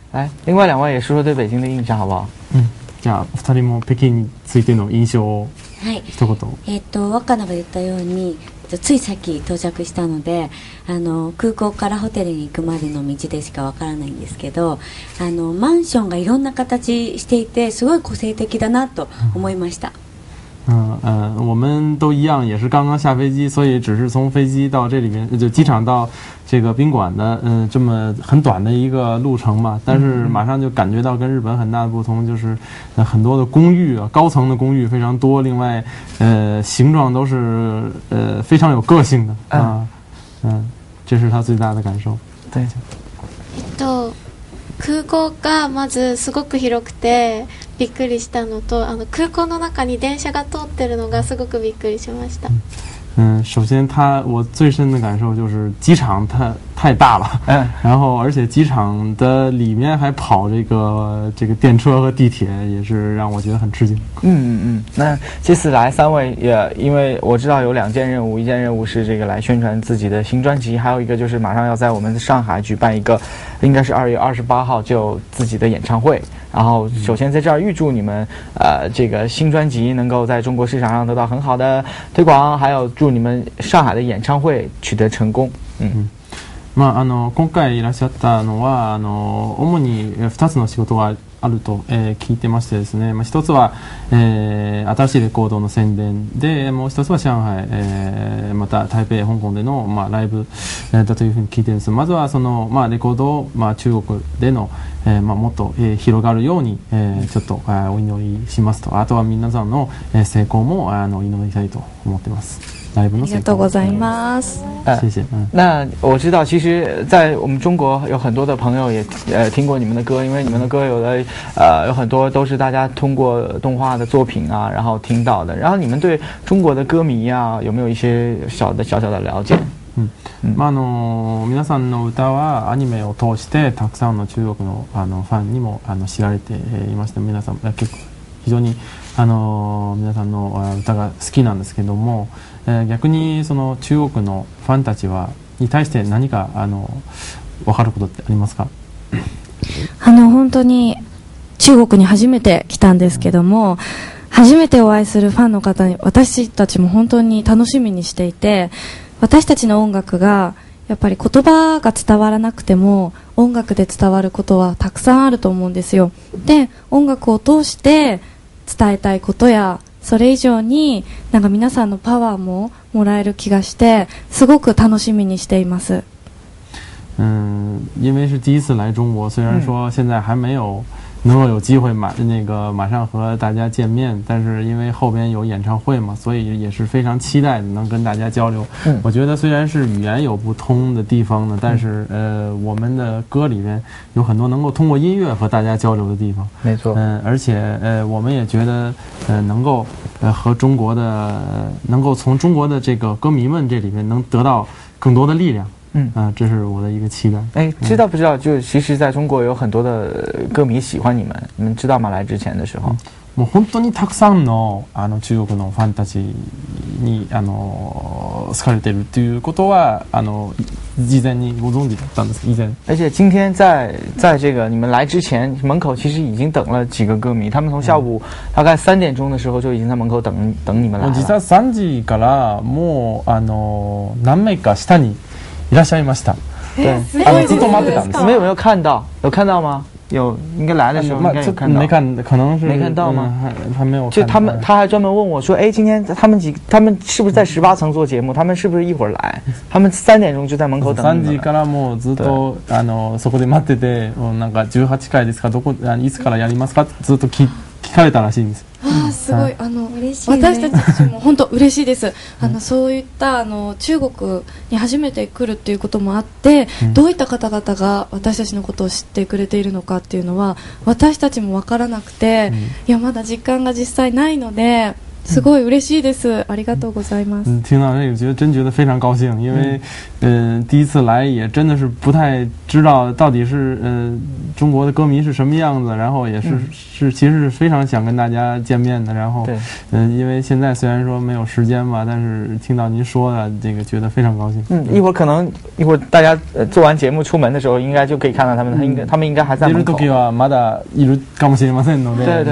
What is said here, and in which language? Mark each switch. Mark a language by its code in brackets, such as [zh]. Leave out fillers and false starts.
[zh] 来，另外两位也说说对北京的印象好不好？ [ja] じゃあ、お二人も北京についての印象を一言。若菜が言ったように。ついさっき到着したので、空港からホテルに行くまでの道でしかわからないんですけど、マンションがいろんな形していて、すごい個性的だなと思いました。 [zh] 我们都一样，也是刚刚下飞机，所以只是从飞机到这里面，就机场到这个宾馆的，这么很短的一个路程嘛。但是马上就感觉到跟日本很大的不同，就是很多的公寓啊，高层的公寓非常多，另外，形状都是非常有个性的啊。这是他最大的感受。对。 [ja] 空港がまずすごく広くてびっくりしたのと、空港の中に電車が通ってるのがすごくびっくりしました。 [zh] 首先他我最深的感受就是机场太大了，然后而且机场的里面还跑这个电车和地铁，也是让我觉得很吃惊。那这次来三位也因为我知道有两件任务，一件任务是这个来宣传自己的新专辑，还有一个就是马上要在我们上海举办一个，应该是2月28号就自己的演唱会。然后首先在这儿预祝你们这个新专辑能够在中国市场上得到很好的推广，还有祝你们上海的演唱会取得成功。 [ja] 今回いらっしゃったのは主に2つの仕事があると、聞いてましてですね、1つは、新しいレコードの宣伝で、もう1つは上海、また台北、香港での、ライブ、だというふうに聞いてるんです。まずはその、レコードを、中国での、もっと、広がるように、ちょっと、お祈りしますと、あとは皆さんの、成功も祈りたいと思ってます。ありがとうございます。 [zh] 那我知道其实在我们中国有很多的朋友也听过你们的歌，因为你们的歌有很多都是大家通过动画的作品啊然后听到的。然后你们对中国的歌迷啊有没有一些小小的了解？ [ja] 皆さんの歌はアニメを通してたくさんの中国 のファンにも知られていまして、皆さん結構非常に皆さんの歌が好きなんですけども、逆にその中国のファンたちはに対して何か分かることってありますか？本当に中国に初めて来たんですけども、初めてお会いするファンの方に私たちも本当に楽しみにしていて、私たちの音楽がやっぱり言葉が伝わらなくても音楽で伝わることはたくさんあると思うんですよ。で、音楽を通して伝えたいことやそれ以上になんか皆さんのパワーももらえる気がしてすごく楽しみにしています。 [zh] 因为是第一次来中国，虽然说现在还没有能够有机会马上和大家见面，但是因为后边有演唱会嘛，所以也是非常期待能跟大家交流。我觉得虽然是语言有不通的地方呢，但是我们的歌里边有很多能够通过音乐和大家交流的地方。没错。而且我们也觉得能够和中国的能够从中国的这个歌迷们这里边能得到更多的力量。这是我的一个期待。哎，知道不知道？就其实，在中国有很多的歌迷喜欢你们，你们知道吗？来之前的时候， [ja] もう本当にたくさんのあの中国のファンたちにあの好かれてるっていうことはあの事前にご存知だったんです。以前。 [zh] 而且今天在这个你们来之前，门口其实已经等了几个歌迷，他们从下午大概三点钟的时候就已经在门口等你们来了。 [ja] 実は三時からもうあの何名か下にいらっしゃいました。 [zh] 对， [ja] ずっと待ってたんです。 [zh] 没有看到？有看到吗？有，应该来的时候应该有看到。没看，可能是没看到吗？还没有看到。就他们，他还专门问我说：“哎，今天他们是不是在十八层做节目？他们是不是一会儿来？他们三点钟就在门口等你们。” [ja] 三時からもうずっとあのそこで待ってて、なんか十八回ですか？どこいつからやりますか？ずっと聞かれたらしいんです。すごい、あの嬉しい、ね、私たちも本当嬉しいです。あのそういったあの中国に初めて来るっていうこともあって、どういった方々が私たちのことを知ってくれているのかっていうのは私たちも分からなくて、いやまだ実感が実際ないのですごい嬉しいです。ありがとうございます。 [zh] 听到这个真觉得非常高兴，因为第一次来也真的是不太知道到底是中国的歌迷是什么样子，然后也是其实是非常想跟大家见面的，然后因为现在虽然说没有时间吧，但是听到您说的这个觉得非常高兴。一会儿大家做完节目出门的时候应该就可以看到他们应该还在门口。 [ja] いる時はまだいるかもしれませんので。